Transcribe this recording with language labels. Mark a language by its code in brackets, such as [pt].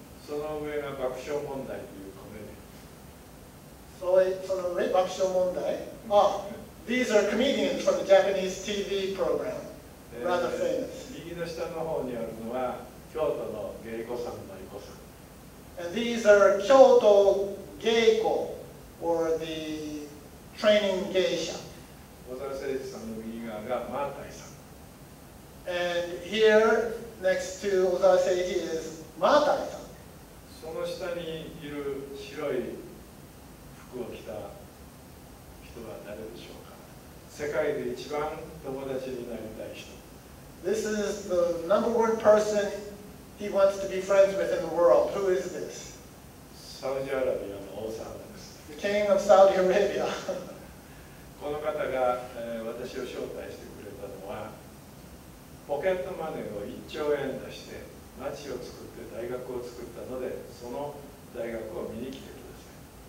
[ja] その上が爆笑問題というコメディ。その上、爆笑問題。 [en] These are comedians from the Japanese TV program. Rather famous. [ja] 右の下の方にあるのは京都の芸妓さん、舞妓さん。 [en] And these are Kyoto geiko, or the training geisha. [ja] 小沢誠二さんの右側がマータイさん。 [en] And here next to 小沢誠二 is マータイさん。 [ja] その下にいる白い服を着た人は誰でしょうか。世界で一番友達になりたい人。 [en] This is the number one person he wants to be friends with in the world. Who is this? [ja] サウジアラビアの王様です。 [en] The king of Saudi Arabia. [ja] この方が、私を招待してくれたのはポケットマネーを1兆円出して町を作って大学を作ったのでその大学を見に来てください。